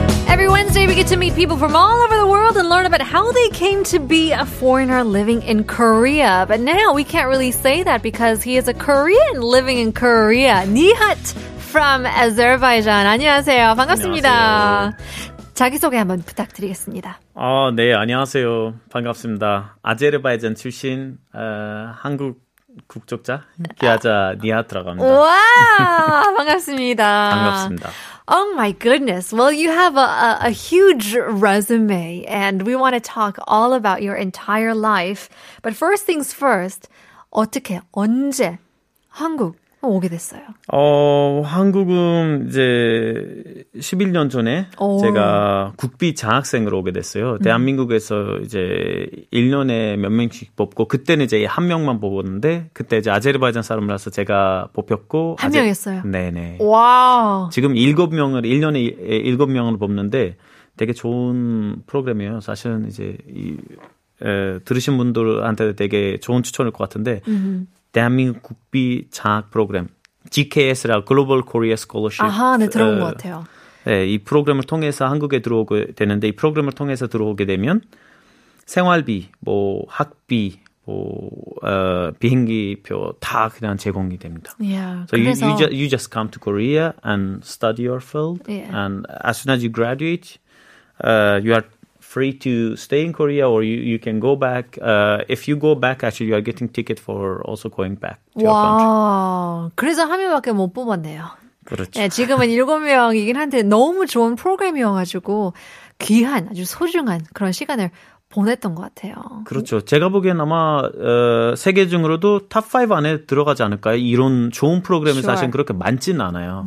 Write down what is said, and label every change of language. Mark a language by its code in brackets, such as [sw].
[en] Every Wednesday we get to meet people from all over the world and learn about how they came to be a foreigner living in Korea. But now we can't really say that because he is a Korean living in Korea. 니핫 from Azerbaijan. 안녕하세요. [ko] 반갑습니다. 안녕하세요. 자기소개 한번 부탁드리겠습니다. 네, 안녕하세요. 반갑습니다. 아제르바이잔 출신 한국 국적자 기아자 니하트라고 합니다. 와, 반갑습니다. 반갑습니다. [en] Oh my goodness. Well, you have a huge resume and we want to talk all about your entire life. But first things first, 어떻게, 언제 한국 오게 됐어요? [ko] 한국은 이제 11년 전에 오. 제가 국비 장학생으로 오게 됐어요. 대한민국에서 이제 1년에 몇 명씩 뽑고 그때는 이제 한 명만 뽑았는데 그때 이제 아제르바이잔 사람이라서 제가 뽑혔고 명이었어요. 네네. 와. 지금 7명을 1년에 7명을 뽑는데 되게 좋은 프로그램이에요. 사실은 이제 들으신 분들한테 되게 좋은 추천일 것 같은데. 대한민국 국비 장학 프로그램 GKS라고 글로벌 코리아 스콜러십 아하 네 들어온 것 같아요. 네, 이 프로그램을 통해서 한국에 들어오게 되는데 이 프로그램을 통해서 들어오게 되면 생활비 뭐 학비 뭐 비행기표 다 그냥 제공이 됩니다. [en] Yeah. So 그래서... you just come to Korea and study your field yeah. and as soon as you graduate you are free to stay in Korea or you can go back. If you go back, actually, you are getting ticket for also going back to your country. [ko] 그래서 한 명밖에 못 뽑았네요. 그렇죠. 네, 지금은 7명이긴 한데 너무 좋은 프로그램이어가지고 귀한, 아주 소중한 그런 시간을 보냈던 것 같아요. 그렇죠. 제가 보기엔 아마 세계 중으로도 탑5 안에 들어가지 않을까요? 이런 좋은 프로그램이 sure. 사실 그렇게 많지는 않아요.